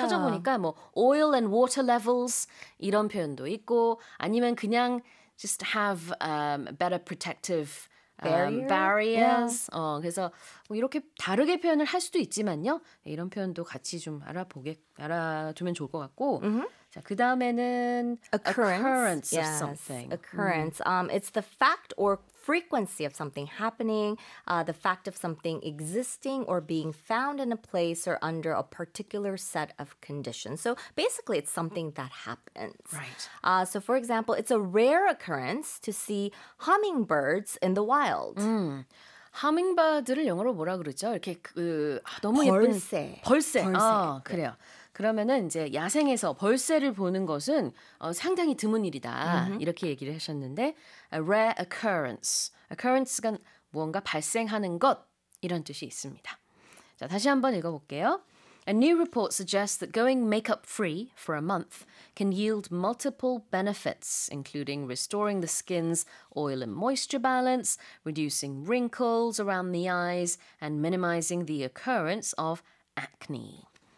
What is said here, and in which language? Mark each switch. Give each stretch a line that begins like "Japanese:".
Korean: 찾아보니까 뭐
English: oil and water levels
Korean: 이런 표현도 있고 아니면 그냥
English: just have better protective barriers. Yeah.
Korean: 그래서 뭐 이렇게 다르게 표현을 할 수도 있지만요. 이런 표현도 같이 좀 알아두면 좋을 것 같고. Mm-hmm. 자, 그다음에는
English: occurrence of yes. something. Occurrence. It's the fact or frequency of something happening, the fact of something existing or being found in a place or under a particular set of conditions. So basically, it's something that happens. Right. So for example, it's a rare occurrence to see hummingbirds in the wild.
Korean: Hummingbird를 영어로 뭐라 그러죠? 이렇게 너무 벌새. 예쁜 벌새. 벌새. 아, 그래요. 그러면은 이제 야생에서 벌새를 보는 것은 상당히 드문 일이다. Mm-hmm. 이렇게 얘기를 하셨는데
English: a rare occurrence.
Korean: occurrence가 무언가 발생하는 것 이런 뜻이 있습니다. 자, 다시 한번 읽어 볼게요.
English: A new report suggests that going makeup free for a month can yield multiple benefits, including restoring the skin's oil and moisture balance, reducing wrinkles around the eyes, and minimizing the occurrence of acne.